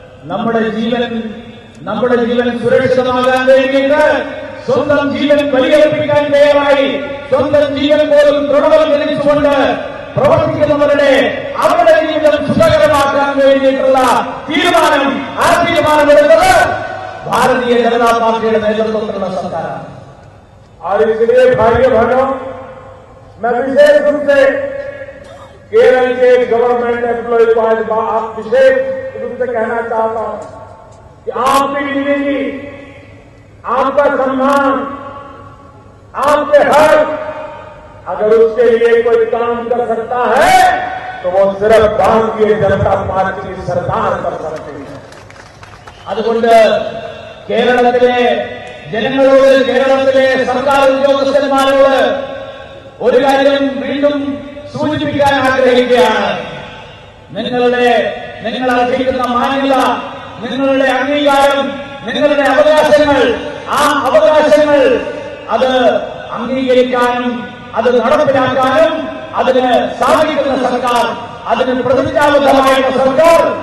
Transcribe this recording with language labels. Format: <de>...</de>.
<ml>നമ്മുടെ ജീവൻ, നമ്മുടെ ജീവൻ സുരക്ഷിതമാകാൻ വേണ്ടിയിട്ട് സ്വന്തം ജീവൻ ബലിയർപ്പിക്കാൻ തയ്യാറായി, സ്വന്തം ജീവൻ പോലും ദൃഢവൽക്കരിച്ചുകൊണ്ട് പ്രവർത്തിക്കുന്നവരുടെ അവരുടെ ജീവിതം സുഖകരമാക്കാൻ വേണ്ടിയിട്ടുള്ള തീരുമാനം, ആ തീരുമാനം എടുത്തത് ഭാരതീയ ജനതാ പാർട്ടിയുടെ നേതൃത്വത്തിലുള്ള സർക്കാരാണ്. ഭാര്യ ഭരണം</ml> <hi>मैं विशेष रूप से केरल के गवर्नमेंट एम्प्लॉय को आज आप विशेष रूप से कहना चाहता हूं कि आपकी जिंदगी, आपका सम्मान, आपके हक, अगर उसके लिए कोई काम कर सकता है तो वो सिर्फ भारतीय जनता पार्टी की सरकार कर सकती है।</hi> <ml>അതുകൊണ്ട് കേരളത്തിലെ ജനങ്ങളോട്, കേരളത്തിലെ സർക്കാർ ഉദ്യോഗസ്ഥന്മാരോട് ഒരു കാര്യം വീണ്ടും സൂചിപ്പിക്കാൻ ആഗ്രഹിക്കുകയാണ്. നിങ്ങൾ അർഹിക്കുന്ന മാന്യത, നിങ്ങളുടെ അംഗീകാരം, നിങ്ങളുടെ അവകാശങ്ങൾ, ആ അവകാശങ്ങൾ അത് അംഗീകരിക്കാനും അത് നടപ്പിലാക്കാനും അതിന് സാധിക്കുന്ന സർക്കാർ, അതിന് പ്രതിജ്ഞാബദ്ധമായ സർക്കാർ</ml>